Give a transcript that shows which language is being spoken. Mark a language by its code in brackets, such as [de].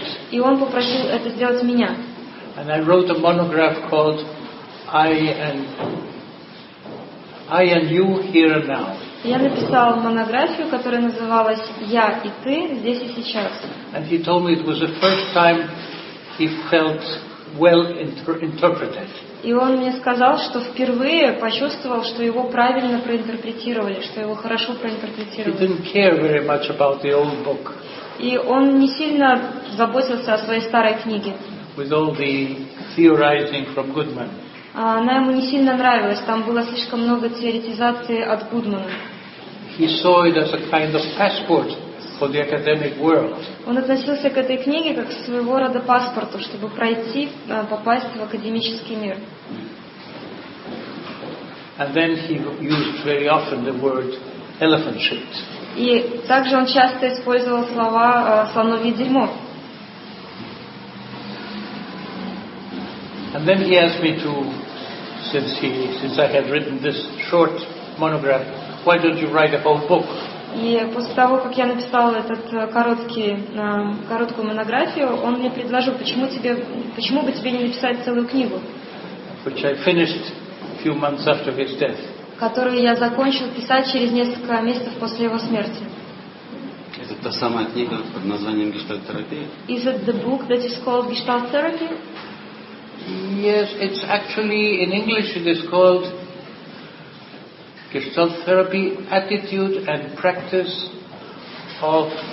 [ru] И он попросил это сделать меня. [en] And I wrote a monograph called I and You Here and Now. [ru] Я написал монографию, которая называлась «Я и ты здесь и сейчас». [en] And he told me it was the first time he felt well interpreted. [ru] И он мне сказал, что впервые почувствовал, что его правильно проинтерпретировали, что его хорошо проинтерпретировали. [en] He didn't care very much about the old book. [ru] И он не сильно заботился о своей старой книге. [en] With all the theorizing from Goodman. [ru] Она ему не сильно нравилась, там было слишком много теоретизации от Гудмана. [en] He saw it as a kind of passport for the academic world. [ru] Он относился к этой книге как к своего рода паспорту, чтобы пройти, попасть в академический мир. [en] And then he used very often the word elephant shit. [ru] И также он часто использовал слова слоновье дерьмо. [en] And then he asked me to, since I had written this short monograph, why don't you write a whole book? [ru] И после того, как я написала этот короткую монографию, он мне предложил, почему бы тебе не написать целую книгу? [en] Which I finished a few months after his death. [ru] Которую я закончил писать через несколько месяцев после его смерти. Это та самая книга под названием «Гештальт-терапия»? [en] Is it the book that is called Gestalt Therapy? Yes, it's actually in English it is called Gestalt Therapy, Attitude and Practice of